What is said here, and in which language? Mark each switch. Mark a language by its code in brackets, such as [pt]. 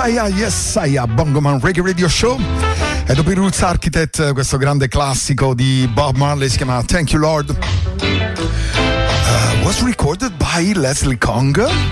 [en] Yes, I am Bongoman Reggae Radio Show. [it] E dopo i Roots Architect, questo grande classico di Bob Marley si chiama Thank You Lord. [en] Was recorded by Leslie Kong.